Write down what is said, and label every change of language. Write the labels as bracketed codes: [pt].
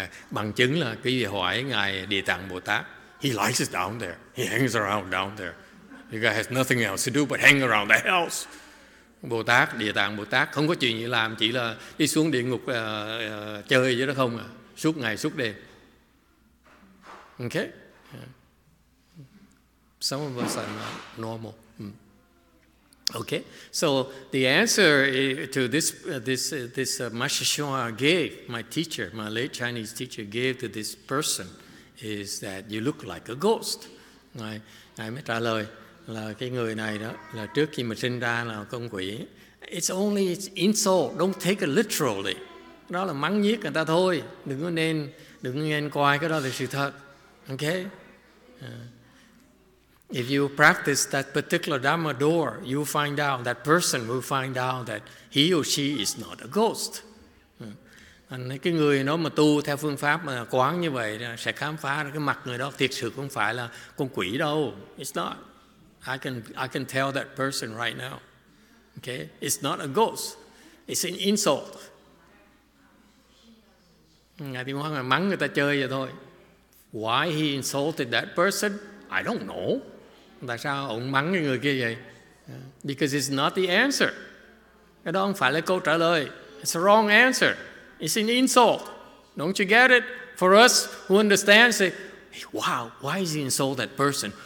[vi] Bằng chứng là quý vị hỏi Ngài Địa Tạng Bồ Tát. [en] He likes it down there. He hangs around down there. The guy has nothing else to do but hang around the hells. [vi] Bồ Tát, Địa Tạng Bồ Tát, không có chuyện gì làm, chỉ là đi xuống địa ngục chơi chứ đó không à. Suốt ngày, suốt đêm. Okay? [en] Some of us are not normal. Okay? So the answer to this Master Shuang gave, my teacher, my late Chinese teacher gave to this person, is that you look like a ghost. [vi] Ngài mới trả lời là cái người này đó, là trước khi mà sinh ra là con quỷ. [en] It's only insult. Don't take it literally. [vi] Đó là mắng nhiếc người ta thôi. Đừng có nên coi cái đó là sự thật. [en] Okay? If you practice that particular Dharma door, you find out, that person will find out that he or she is not a ghost. [vi] Cái người nó mà tu theo phương pháp mà quán như vậy sẽ khám phá cái mặt người đó thiệt sự không phải là con quỷ đâu. [en] It's not. I can tell that person right now. Okay? It's not a ghost. It's an insult. [vi] Ngài Tuyên Hóa là mắng người ta chơi vậy thôi. [en] Why he insulted that person? I don't know. [vi] Tại sao ông mắng cái người kia vậy? [en] Because it's not the answer. [vi] Cái đó không phải là câu trả lời. [en] It's a wrong answer. It's an insult. Don't you get it? For us who understand, say, hey, wow, why is he insult that person?